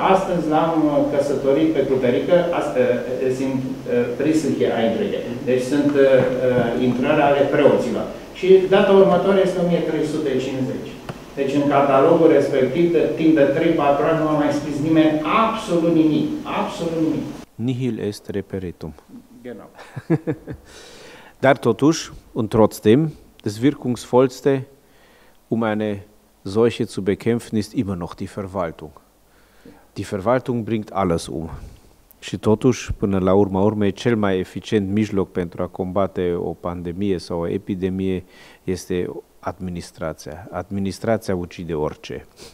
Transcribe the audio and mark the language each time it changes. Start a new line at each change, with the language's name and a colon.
Romanian: Astăzi l-am căsătorit pe cuperică, simt prisâhie a intrăie. Deci sunt intrări ale preoților. Și data următoare este 1350. Deci în catalogul respectiv, de timp de 3-4 ani, nu a mai scris nimeni absolut nimic. Absolut nimic.
Latin: Nihil est reperitum.
German: Genau.
Romanian: Dar totuși,
German: und trotzdem, das wirkungsvollste, um eine Seuche zu bekämpfen, ist immer noch die Verwaltung. Die Verwaltung bringt alles um.
Romanian: Și totuși, până la urma urmei, cel mai eficient mijloc pentru a combate o pandemie sau o epidemie este administrația. Administrația ucide orice.